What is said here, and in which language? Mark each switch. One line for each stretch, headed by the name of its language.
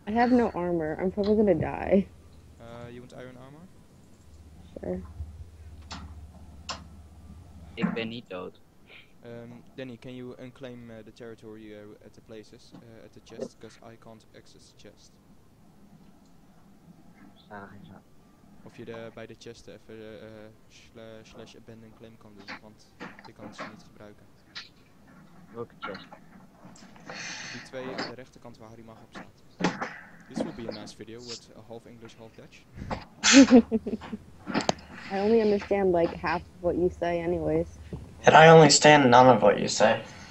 English: I have no armor. I'm probably gonna die. You want iron armor? Sure. Big Benito's. Danny, can you unclaim the territory at the places, at the chest? Because I can't access the chest.
Dutch: Of je daar bij de chest even slash abandoned claim kan doen, want ik kan ze niet gebruiken. Welke chest? Die twee aan de rechterkant waar Harrimaga op staat.
English: This will be a nice video with a half English, half Dutch. I only understand like half of what you say anyways. And I only stand none of what you say.